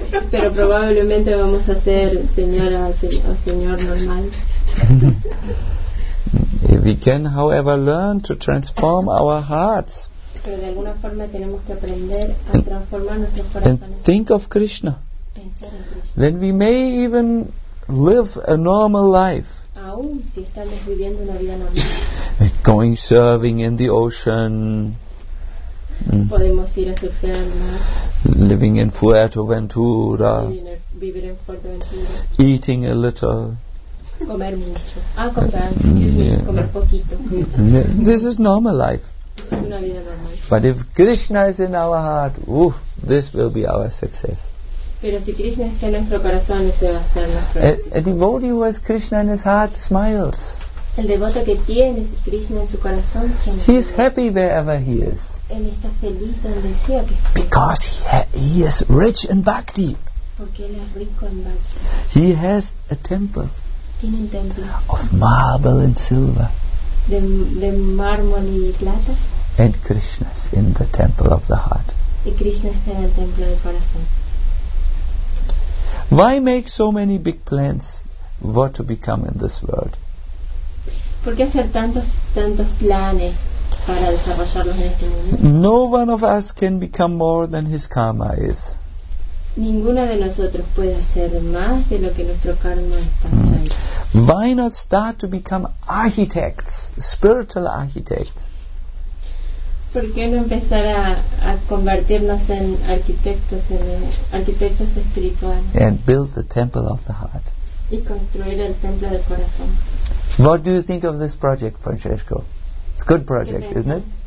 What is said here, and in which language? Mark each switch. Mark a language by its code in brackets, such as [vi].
[es] pero probablemente vamos a ser señora o señor normal. [en] We can, however, learn to transform our hearts. [es] Pero de alguna forma tenemos que aprender a transformar nuestros corazones. [en] And think of Krishna. [es] Pensar en Krishna. [en] Then we may even live a normal life. [es] Aún si estamos viviendo una vida normal. [en] Going surfing in the ocean. [es] Podemos ir a surfear al mar. [en] Living in Fuerteventura. [es] Vivir en Fuerteventura. [en] Eating a little. [es] Comer mucho. Comer poquito. [en] This is normal life. [es] Una vida normal. [en] But if Krishna is in our heart, this will be our success. [es] Pero si Krishna está en nuestro corazón, ese va a ser nuestro. [en] A devotee who has Krishna in his heart smiles. [es] El devoto que tiene Krishna en su corazón sonríe. [en] He is happy wherever he is. [es] Él está feliz donde sea que esté. [en] Because he is rich in bhakti. [es] Porque él es rico en bhakti. [en] He has a temple. [es] Tiene un templo. [en] Of marble and silver. [es] De mármol y plata. [en] And Krishna is in the temple of the heart. [es] Y Krishna está en el templo del corazón. [en] Why make so many big plans what to become in this world? [es] ¿Por qué hacer tantos planes para desarrollarlos en este mundo? [en] No one of us can become more than his karma is. [es] Ninguno de nosotros puede hacer más de lo que nuestro karma está. [en] Why not start to become architects, spiritual architects? [es] ¿Por qué no empezar a convertirnos en arquitectos espirituales? [en] And build the temple of the heart. [es] Y construir el templo del corazón. [en] What do you think of this project, Francesco? It's a good project, isn't it?